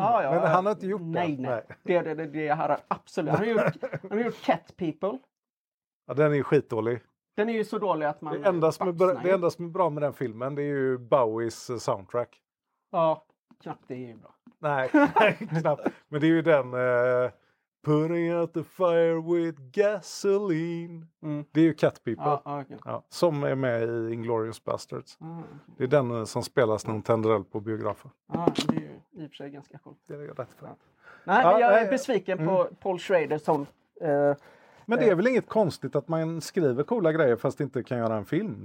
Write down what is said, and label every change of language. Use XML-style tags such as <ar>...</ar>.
<sv>Ja, men han har inte gjort den. Nej. Det har han absolut. Han har gjort Cat People. Ja, den är skitdålig. Den är ju så dålig att man... Det enda som är bra med den filmen, det är ju Bowies soundtrack. Ja, knappt, det är ju bra. Nej, knappt. Men det är ju den...</sv> <en>Putting out the fire with gasoline. Mm.</en> <sv>Det är ju Cat People. Ah, okay. Ja, som är med i Inglourious Basterds. Mm, okay. Det är den som spelas när hon tänder eld på biografen. Ja, ah, det är ju i och för sig ganska coolt. Det är jag rätt för. Nej, jag är besviken på Paul Schrader som... Men det är väl inget konstigt att man skriver coola grejer fast inte kan göra en film.</sv>